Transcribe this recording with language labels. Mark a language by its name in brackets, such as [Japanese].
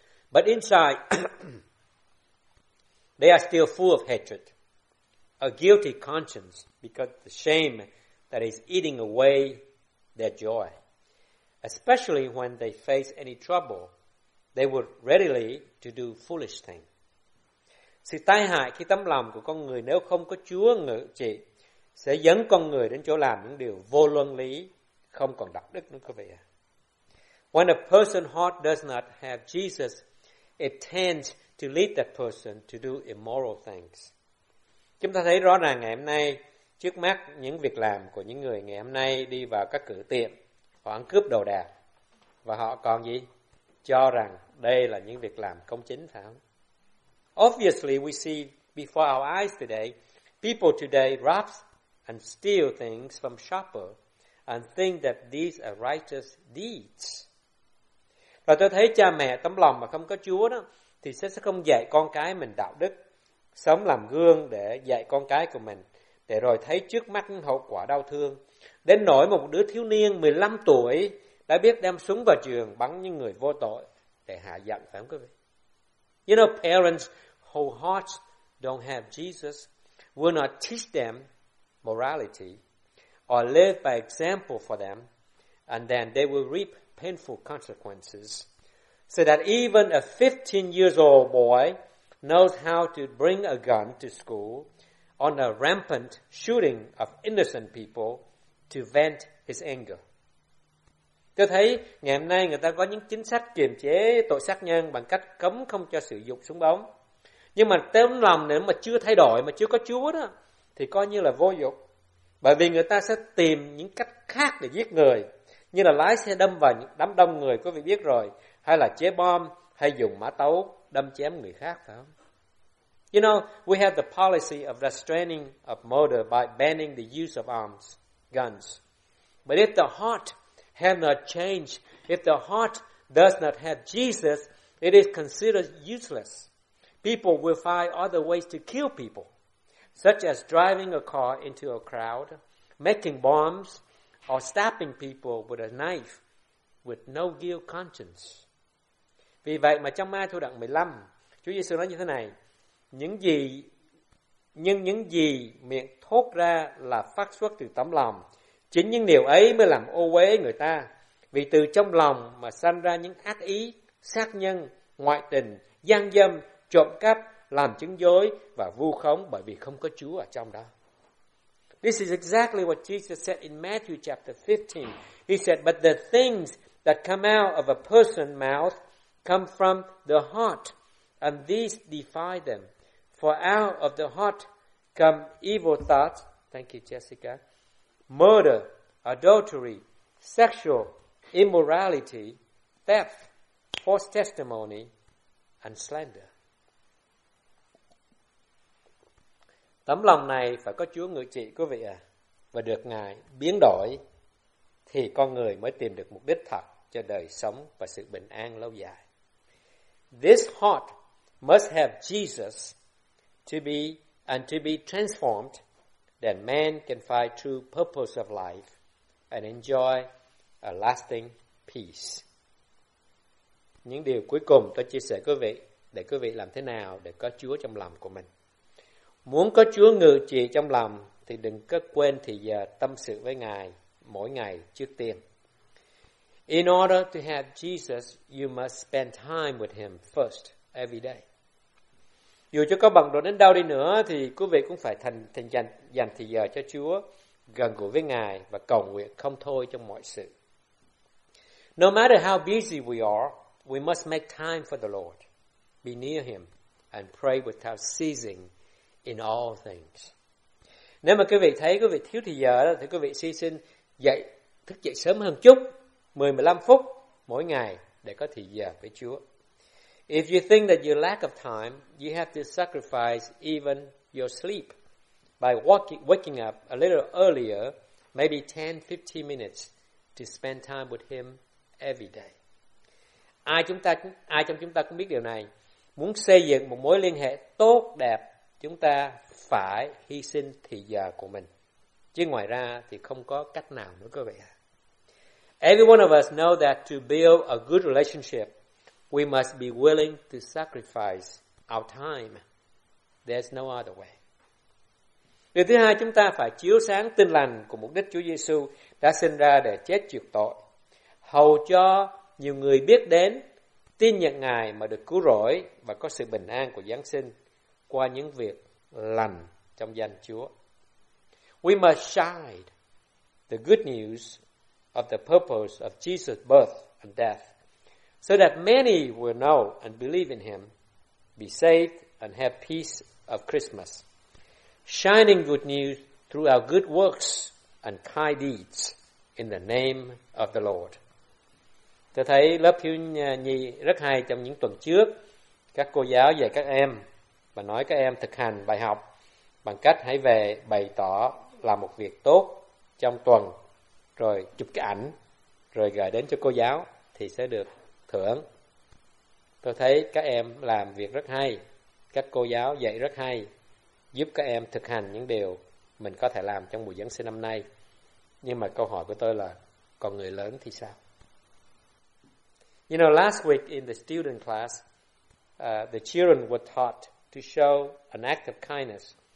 [English] But inside, they are still full of hatred, a guilty conscience because of the shame that is eating away their joy. Especially when they face any trouble, they would readily to do foolish things. [Vietnamese] Sự tai hại khi tấm lòng của con người nếu không có Chúa ngự trị sẽ dẫn con người đến chỗ làm những điều vô luân lý, không còn đạo đức nữa quý vị. [English] When a person's heart does not have Jesus, it tends to lead that person to do immoral things. [Vietnamese] Chúng ta thấy rõ ràng ngày hôm nay, trước mắt những việc làm của những người ngày hôm nay đi vào các cửa tiệm, họ ăn cướp đồ đạc, và họ còn gì? Cho rằng đây là những việc làm công chính, phải không? [English] Obviously, we see before our eyes today, people today rob and steal things from shoppers and think that these are righteous deeds. [Vietnamese] Và tôi thấy cha mẹ tấm lòng mà không có Chúa đó, thì sẽ không dạy con cái mình đạo đức, sống làm gương để dạy con cái của mình, để rồi thấy trước mắt những hậu quả đau thương. Đến nỗi một đứa thiếu niên 15 tuổi đã biết đem súng vào trường bắn những người vô tội để hạ giận, phải không quý vị? [English] You know, parents whose hearts don't have Jesus will not teach them morality or live by example for them, and then they will reap painful consequences. So that even a 15 years old boy knows how to bring a gun to school on a rampant shooting of innocent people to vent his anger. [Vietnamese] Tôi thấy ngày hôm nay người ta có những chính sách kiềm chế tội sát nhân bằng cách cấm không cho sử dụng súng bóng. Nhưng mà tấm lòng nếu mà chưa thay đổi, mà chưa có Chúa đó, thì coi như là vô dụng. Bởi vì người ta sẽ tìm những cách khác để giết người, như là lái xe đâm vào những đám đông người, quý vị biết rồi, hay là chế bom, hay dùng mã tấu đâm chém người khác, phải không? [English] You know, we have the policy of restraining of murder by banning the use of arms, guns. But if the heart have not changed, if the heart does not have Jesus, it is considered useless. People will find other ways to kill people, such as driving a car into a crowd, making bombs, or stabbing people with a knife with no guilt conscience. [Vietnamese] Vì vậy mà trong Ma-thi-ơ đoạn 15, Chúa Giê-xu nói như thế này, những gì miệng thốt ra là phát xuất từ tấm lòng. Chính những điều ấy mới làm ô uế người ta, vì từ trong lòng mà sanh ra những ác ý, sát nhân, ngoại tình, gian dâm, trộm cắp, làm chứng dối và vu khống, bởi vì không có Chúa ở trong đó. [English] This is exactly what Jesus said in Matthew chapter 15. He said, but the things that come out of a person's mouth come from the heart, and these defile them. For out of the heart come evil thoughts. Thank you, Jessica. Murder, adultery, sexual immorality, theft, false testimony, and slander. [Vietnamese] Tấm lòng này phải có Chúa ngự trị, quý vị à, và được Ngài biến đổi, thì con người mới tìm được mục đích thật cho đời sống và sự bình an lâu dài. [English] This heart must have Jesus to be transformed. Then man can find true purpose of life and enjoy a lasting peace. [Vietnamese] Những điều cuối cùng tôi chia sẻ quý vị, để quý vị làm thế nào để có Chúa trong lòng của mình. Muốn có Chúa ngự trị trong lòng thì đừng có quên thì giờ tâm sự với Ngài mỗi ngày trước tiên. [English] In order to have Jesus, you must spend time with him first every day. [Vietnamese] Dù cho có bận rộn đến đâu đi nữa thì quý vị cũng phải dành thời giờ cho Chúa, gần gũi với Ngài và cầu nguyện không thôi trong mọi sự. [English] No matter how busy we are, we must make time for the Lord, be near him and pray without ceasing in all things. [Vietnamese] Nếu mà quý vị thấy quý vị thiếu thời giờ đó, thì quý vị xin xin dậy, thức dậy sớm hơn chút, 10-15 phút mỗi ngày để có thời giờ với Chúa. [English] If you think that you lack of time, you have to sacrifice even your sleep by waking up a little earlier, maybe 10-15 minutes, to spend time with him every day. [Vietnamese] Ai trong chúng ta cũng biết điều này. Muốn xây dựng một mối liên hệ tốt đẹp, chúng ta phải hy sinh thời giờ của mình. Chứ ngoài ra thì không có cách nào nữa các bạn. [English] Every one of us know that to build a good relationship, we must be willing to sacrifice our time. There's no other way. [Vietnamese] Điều thứ hai, chúng ta phải chiếu sáng tinh lành của mục đích Chúa Giê-xu đã sinh ra để chết chuộc tội, hầu cho nhiều người biết đến tin nhận Ngài mà được cứu rỗi và có sự bình an của Giáng sinh qua những việc lành trong danh Chúa. [English] We must shine the good news of the purpose of Jesus' birth and death so that many will know and believe in Him, be saved, and have peace of Christmas. Shining good news through our good works and kind deeds in the name of the Lord. [Vietnamese] Tôi thấy lớp thiếu nhi rất hay. Trong những tuần trước, các cô giáo dạy các em và nói các em thực hành bài học bằng cách hãy về bày tỏ làm một việc tốt trong tuần, rồi chụp cái ảnh, rồi gửi đến cho cô giáo thì sẽ được thưởng. Tôi thấy các em làm việc rất hay, các cô giáo dạy rất hay, giúp các em thực hành những điều mình có thể làm trong mùa Giáng sinh năm nay. Nhưng mà câu hỏi của tôi là, còn người lớn thì sao? [English] You know, last week in the student class, the children were taught to show an act of kindness.